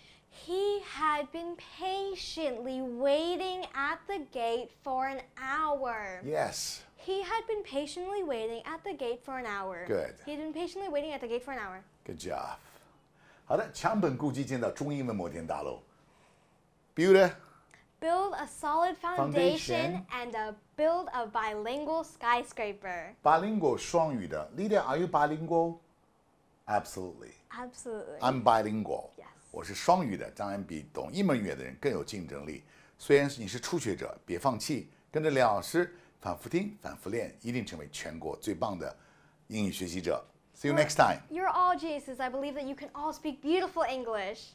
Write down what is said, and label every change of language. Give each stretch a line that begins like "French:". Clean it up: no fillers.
English: He had been patiently waiting at the gate for an hour. Yes. He had been patiently waiting at the gate for an hour. Good. He had been patiently waiting at the gate for an hour. Good job.
Chinese: 好的，强本固基建造中英文摩天大楼。
English: Build a? Build a solid foundation and build a bilingual skyscraper. Bilingual
Chinese: 双语的。
English: Lydia, are you bilingual? Absolutely. Absolutely. I'm bilingual. Yes.
Chinese: 我是双语的，当然比懂一门语言的人更有竞争力。虽然你是初学者，别放弃，跟着李老师反复听、反复练，一定成为全国最棒的英语学习者。
English: See you next time. You're all Jesus. I believe that you can all speak beautiful English.